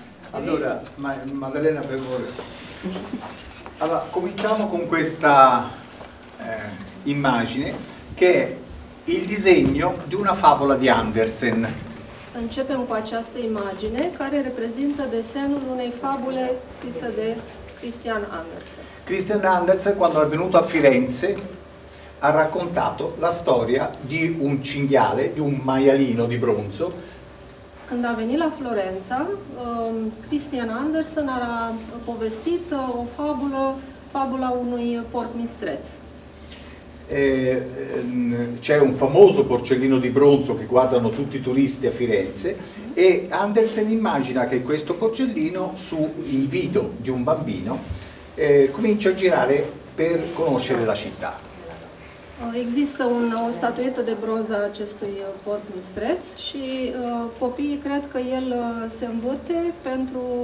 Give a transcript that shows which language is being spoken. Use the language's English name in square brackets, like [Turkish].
[Italian] Allora, Maddalena, per voi. Allora, cominciamo con questa immagine che è il disegno di una favola di Andersen. [Romanian] Să începem cu această imagine care reprezintă desenul unei fabule scrisă de Christian Andersen. [Italian] Christian Andersen, quando è venuto a Firenze, ha raccontato la storia di un cinghiale, di un maialino di bronzo. [Romanian] Când a venit la Florența, Christian Andersen a povestit o fabula unui porc mistreț. [Italian] C'è un famoso porcellino di bronzo che guardano tutti i turisti a Firenze e Andersen immagina che questo porcellino, su invito di un bambino, comincia a girare per conoscere la città. [Romanian] Există o statuetă de bronz a acestui porc mistreț și copiii cred că el se învârte pentru